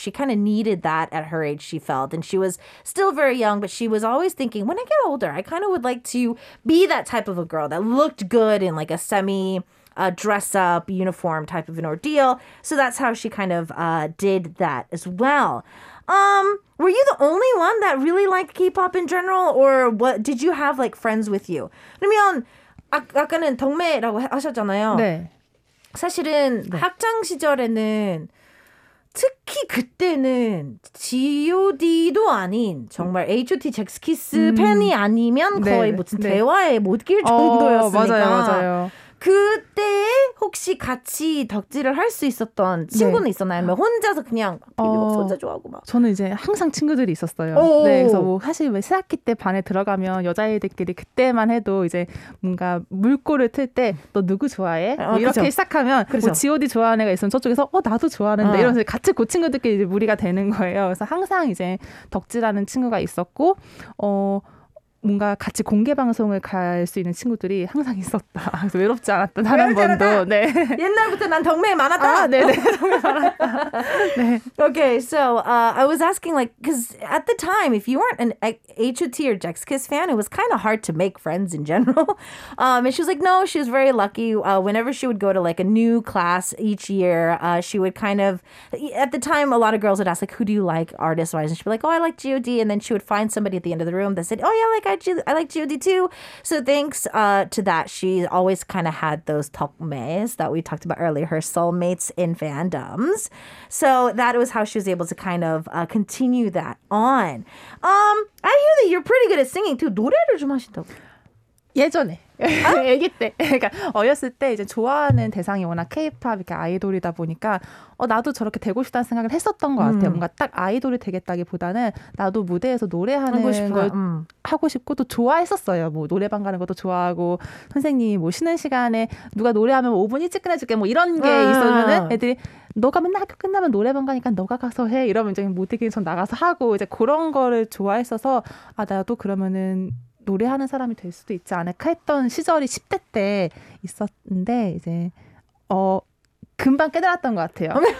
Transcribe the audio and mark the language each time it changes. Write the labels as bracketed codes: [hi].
[en] She kind of needed that at her age, she felt. And she was still very young, but she was always thinking, when I get older, I kind of would like to be that type of a girl that looked good in like a semi dress up uniform type of an ordeal. So that's how she kind of did that as well. Were you the only one that really liked K-pop in general, or what? Did you have like friends with you? [ko] 그러면 아까는 동매라고 하셨잖아요. 네. 사실은 네. 학창 시절에는 특히 그때는 G.O.D.도 아닌 정말 H.O.T. 잭스키스 팬이 아니면 거의 네. 무슨 대화에 네. 못 낄 정도였으니까. 맞아요, 맞아요. 그때 혹시 같이 덕질을 할 수 있었던 친구는 네. 있었나요? 뭐 혼자서 그냥 막 혼자 좋아하고 막. 저는 이제 항상 친구들이 있었어요. 오오. 네, 그래서 뭐 사실 왜 새학기 때 반에 들어가면 여자애들끼리 그때만 해도 이제 뭔가 물꼬를 틀 때 너 누구 좋아해? 뭐 이렇게 그렇죠. 시작하면 그렇죠. 뭐 G.O.D. 좋아하는 애가 있으면 저쪽에서 나도 좋아하는데 이러면서 같이 그 친구들끼리 이제 무리가 되는 거예요. 그래서 항상 이제 덕질하는 친구가 있었고 뭔가 같이 공개 방송을 갈 수 있는 친구들이 항상 있었다. 그래서 외롭지 않았다. 단 한 번도. 네. 옛날부터 난 동맹 많았다. 아, 네, 네. 동맹 많았다. 네. [en] Okay, so I was asking like, because at the time, if you weren't an H.O.T. or JEXKIS fan, it was kind of hard to make friends in general. And she was like, no, she was very lucky. Whenever she would go to like a new class each year, she would kind of, at the time, a lot of girls would ask like, who do you like artist-wise? And she'd be like, oh, I like G.O.D. And then she would find somebody at the end of the room that said, oh, yeah, I like G.O.D. too. So thanks to that, she always kind of had those 덕매s that we talked about earlier, her soulmates in fandoms. So that was how she was able to kind of continue that on. I hear that you're pretty good at singing too. [ko] 노래를 좀 하신다고? 예전에. 애기 때, 그러니까 어렸을 때 이제 좋아하는 대상이 워낙 K-pop 이렇게 아이돌이다 보니까 나도 저렇게 되고 싶다는 생각을 했었던 것 같아요. 뭔가 딱 아이돌이 되겠다기보다는 나도 무대에서 노래하는 걸 하고 싶고 또 좋아했었어요. 뭐 노래방 가는 것도 좋아하고 선생님이 뭐 쉬는 시간에 누가 노래하면 5분 일찍 끝내줄게 뭐 이런 게 있었는데 애들이 너가 맨날 학교 끝나면 노래방 가니까 너가 가서 해 이러면 이제 무대에 전 나가서 하고 이제 그런 거를 좋아했어서 나도 그러면은 노래하는 사람이 될 수도 있지 않을까 했던 시절이 10대 때 있었는데 이제 금방 깨달았던 것 같아요.